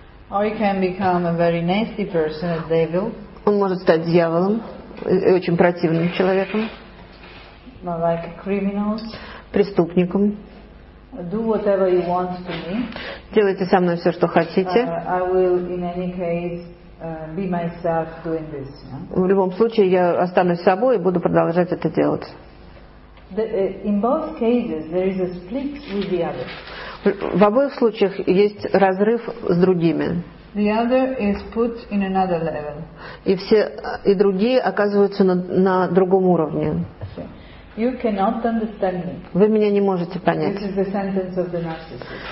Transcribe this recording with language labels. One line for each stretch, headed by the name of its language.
English: Or he can become a very nasty person, a devil.
Russian: Он может стать дьяволом, очень противным человеком.
English: Like criminals.
Russian: Преступником.
English: Do whatever you want to me.
Russian: Делайте со мной все, что хотите.
English: I will in any case be myself doing this.
Russian: В любом случае я останусь собой и буду продолжать это делать.
English: In both cases there is a split with the other.
Russian: В обоих случаях есть разрыв с другими.
English: The other is put in another level.
Russian: И все и другие оказываются на другом уровне.
English: You cannot understand me.
Russian: Вы меня не можете понять.
English: This is the sentence of the narcissist.